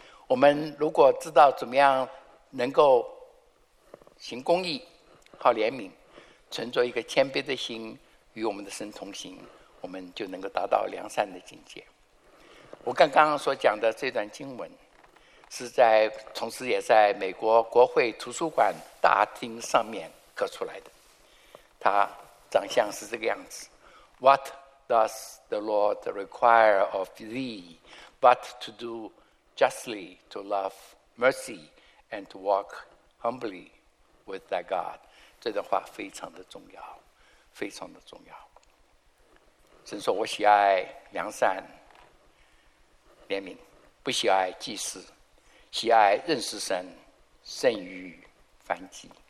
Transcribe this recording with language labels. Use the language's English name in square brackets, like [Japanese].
[Chinese] 我们如果知道怎么样能够行公义，好怜悯，存着一个谦卑的心，与我们的神同行，我们就能够达到良善的境界。我刚刚所讲的这段经文是在同时也在美国国会图书馆大厅上面刻出来的，它长相是这个样子。 [English] What does the Lord require of thee but to do justly, to love mercy, and to walk humbly with thy God。 [Chinese] 这段话非常的重要，非常的重要。神说，我喜爱良善怜悯，不喜爱祭祀，喜爱认识神胜于凡祭。